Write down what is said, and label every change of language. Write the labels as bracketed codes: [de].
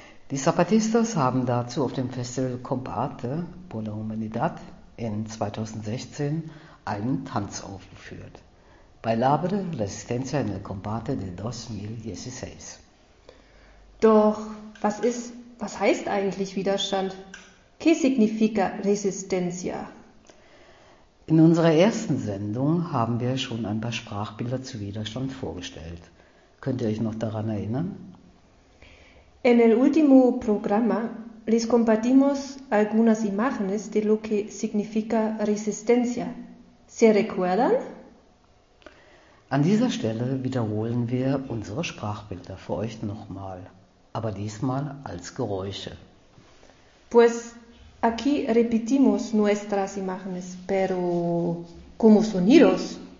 [de] Die Zapatistas haben dazu auf dem Festival Comparte por la Humanidad in 2016 einen Tanz aufgeführt. [es] Bailable Resistencia en el Comparte de 2016. [de] Doch, was heißt eigentlich Widerstand? [es] ¿Qué significa Resistencia? [de] In unserer ersten Sendung haben wir schon ein paar Sprachbilder zu Widerstand vorgestellt. Könnt ihr euch noch daran erinnern? [es] En el último programa les compartimos algunas imágenes de lo que significa resistencia. ¿Se recuerdan? [de] An dieser Stelle wiederholen wir unsere Sprachbilder für euch nochmal, aber diesmal als Geräusche. [es] Pues aquí repetimos nuestras imágenes, pero como sonidos.